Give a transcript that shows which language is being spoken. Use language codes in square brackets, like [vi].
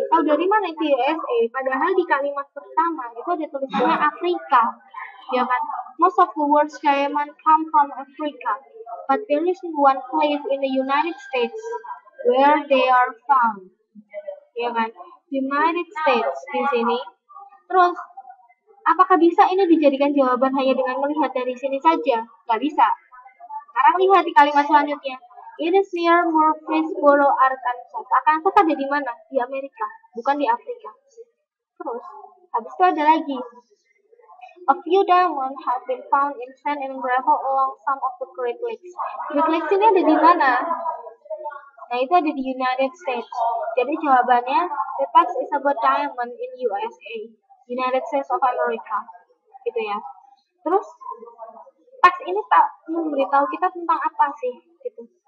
[id] Tahu dari mana itu USA, padahal di kalimat pertama itu ada tulisannya Afrika, ya kan. [en] Most of the world's diamond come from Africa, but there is one place in the United States where they are found, [id] ya kan? United States di sini. Terus, apakah bisa ini dijadikan jawaban hanya dengan melihat dari sini saja? Gak bisa. Sekarang lihat di kalimat selanjutnya. [en] It is near Murfreesboro, Arkansas. [id] Arkansas ada di mana? Di Amerika, bukan di Afrika. Terus, habis itu ada lagi. [en] A few diamonds have been found in sand and gravel along some of the Great Lakes. [id] Great Lakes ini ada di mana? Nah, itu ada di United States. Jadi jawabannya, [en] the text is about diamond in USA, United States of America. [id] Gitu ya. Terus, text ini tak memberitahu kita tentang apa sih? Gitu.